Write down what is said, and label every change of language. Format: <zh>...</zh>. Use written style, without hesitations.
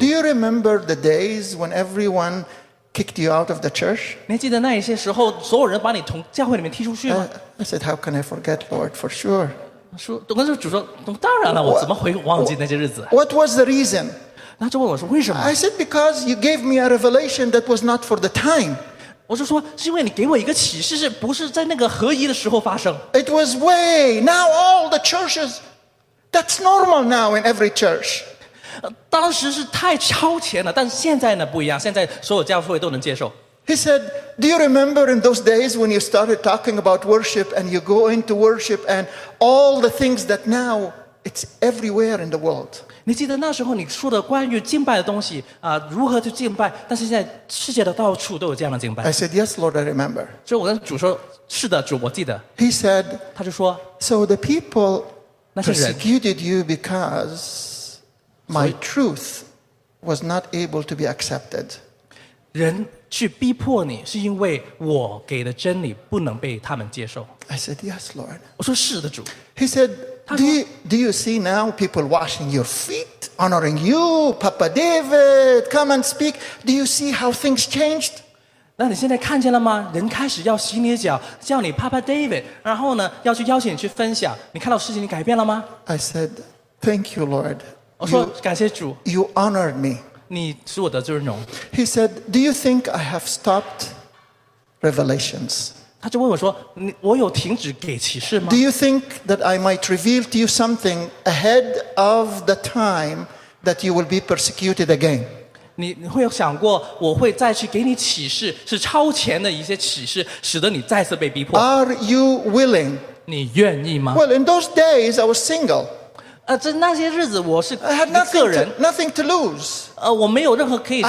<en>Do you remember the days when everyone kicked you out of the church?</en> <zh>你还记得那一些时候，所有人把你从教会里面踢出去吗？</zh> <en>I said, How can I forget, Lord? For sure.</en> <zh>说，跟主说，当然了，我怎么会忘记那些日子？</zh> <en>What was the reason?</en> <zh>他就问我说，为什么？</zh> <en>I said, Because you gave me a revelation that was not for the time.</en> <zh>我就说，是因为你给我一个启示，是不是在那个合一的时候发生</zh> <en>？It was way now all the churches. That's normal now in every church.</en> <zh>当时是太超前了，但现在呢不一样。现在所有教会都能接受。</zh> <en>He said, "Do you remember in those days when you started talking about worship and you go into worship and all the things that now it's everywhere in the world?"</en> <zh>你记得那时候你说的关于敬拜的东西啊，如何去敬拜？但是现在世界的到处都有这样的敬拜。</zh> <en>I said, "Yes, Lord, I remember."</en> <zh>就我跟主说，是的，主，我记得。</zh> <en>He said,</en> <zh>他就说</zh> <en>"So the people persecuted you because my truth was not able to be accepted."</en> <zh>人去逼迫你，是因为我给的真理不能被他们接受。</zh> <en>I said, "Yes, Lord."</en> <zh>我说是的，主。</zh> <en>He said. Do you see now people washing your feet, honoring you, Papa David, come and speak? Do you see how things changed?</en> <zh>那你现在看见了吗？人开始要洗你的脚，叫你 Papa David， 然后呢，要去邀请你去分享。你看到事情你改变了吗</zh> <en>？I said, Thank you, Lord.</en> <zh>我说感谢主。</zh> <en>You honored me.</en> <zh>你使我得尊荣。</zh> <en>He said, Do you think I have stopped revelations?</en> <zh>他就问我说：“我有停止给启示吗</zh> <en>？”Do you think that I might reveal to you something ahead of the time that you will be persecuted again？</en> <zh>你会有想过我会再去给你启示，是超前的一些启示，使得你再次被逼迫</zh> <en>？Are you willing？</en> <zh>你愿意吗</zh> <en>？Well, in those days, I was single.</en> <zh>在那些日子，我是一个人</zh> <en>，nothing to lose.</en> <zh>我没有任何可以失去的。</zh>